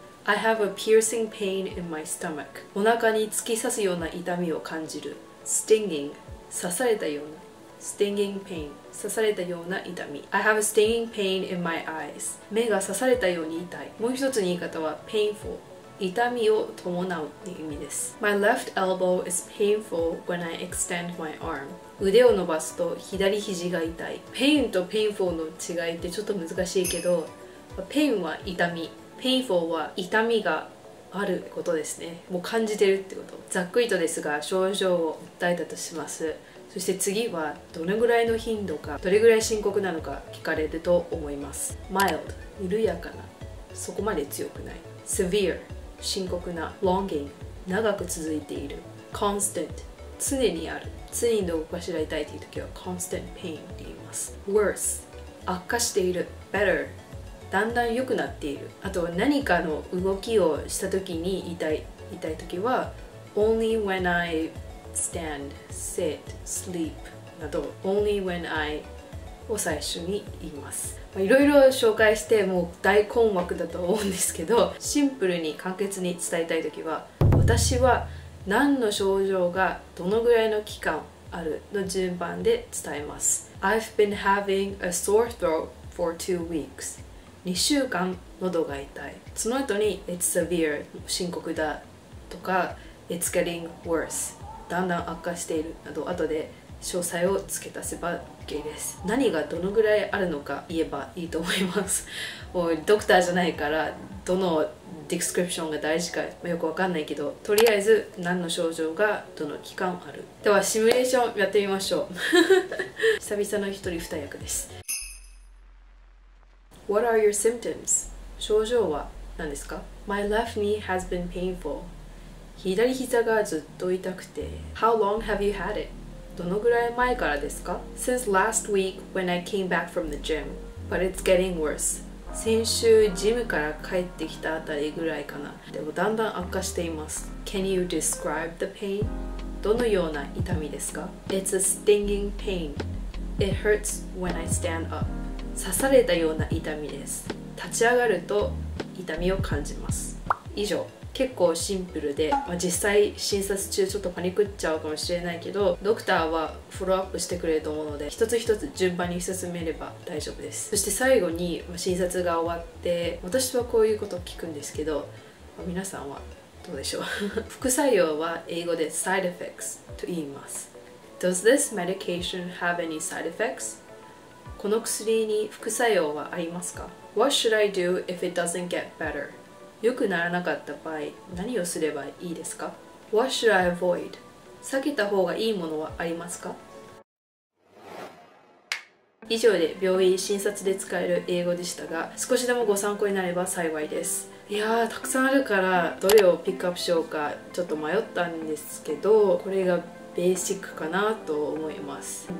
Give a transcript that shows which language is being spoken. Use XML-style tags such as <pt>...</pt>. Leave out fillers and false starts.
<en>I have a piercing pain in my stomach、</en> <ja>お腹に突き刺すような痛みを感じる。 stinging、 刺されたような。stinging pain、 刺されたような痛み。</ja> <en>I have a stinging pain in my eyes、</en> <ja>目が刺されたように痛い。もう一つの言い方は painful、 痛みを伴うっていう意味です。</ja> <en>My left elbow is painful when I extend my arm、</en> <ja>腕を伸ばすと左肘が痛い。 pain と painful の違いってちょっと難しいけど、 pain は痛み、Painful は痛みがあることですね。もう感じてるってこと。ざっくりとですが症状を訴えたとします。そして次はどれぐらいの頻度か、どれぐらい深刻なのか聞かれると思います。 Mild、 緩やかな、そこまで強くない。Severe、 深刻な。 Longing、 長く続いている。 Constant、常にある。常にどこかしら痛いという時は constant pain って言います。 worse 悪化している。better だんだん良くなっている。あとは何かの動きをした時に痛い時は</ja> <en>only when I stand, sit, sleep</en> <ja>など only when I を最初に言います。いろいろ紹介してもう大困惑だと思うんですけど、シンプルに簡潔に伝えたい時は私は何の症状がどのぐらいの期間あるの順番で伝えます。</ja> <en>I've been having a sore throat for 2 weeks.</en> <ja>2週間喉が痛い。その後に</ja> <en>It's severe</en> <ja>深刻だとか</ja> <en>It's getting worse</en> <ja>だんだん悪化しているなど後で詳細を付け足せば OK です。何がどのぐらいあるのか言えばいいと思います。もうドクターじゃないからどのディスクリプションが大事か、まあ、よくわかんないけど、とりあえず何の症状がどの期間ある。ではシミュレーションやってみましょう。久々の一人二役です。</ja> <en>What are your symptoms?</en> <ja>症状は何ですか？</ja> <en>My left knee has been painful.</en> <ja>左膝がずっと痛くて。</ja> <en>How long have you had it?</en> <ja>どのぐらい前からですか？</ja> <en>Since last week when I came back from the gym. But it's getting worse.</en> <ja>先週ジムから帰ってきたあたりぐらいかな。でもだんだん悪化しています。</ja> <en>Can you describe the pain?</en> <ja>どのような痛みですか？</ja> <en>It's a stinging pain. It hurts when I stand up.</en> <ja>刺されたような痛みです。立ち上がると痛みを感じます。以上、結構シンプルで、まあ、実際診察中ちょっとパニックっちゃうかもしれないけど、ドクターはフォローアップしてくれると思うので一つ一つ順番に進めれば大丈夫です。そして最後に、まあ、診察が終わって私はこういうことを聞くんですけど、まあ、皆さんはどうでしょう。副作用は英語で side effects と言います。</ja> <en>Does this medication have any side effects?</en> <ja>この薬に副作用はありますか？</ja> <en>What should I do if it doesn't get better?</en> <ja>良くならなかった場合、何をすればいいですか？</ja> <en>What should I avoid?</en> <ja>避けた方がいいものはありますか？以上で病院診察で使える英語でしたが、少しでもご参考になれば幸いです。いやー、たくさんあるからどれをピックアップしようかちょっと迷ったんですけど、これがベーシックかなと思います。</ja>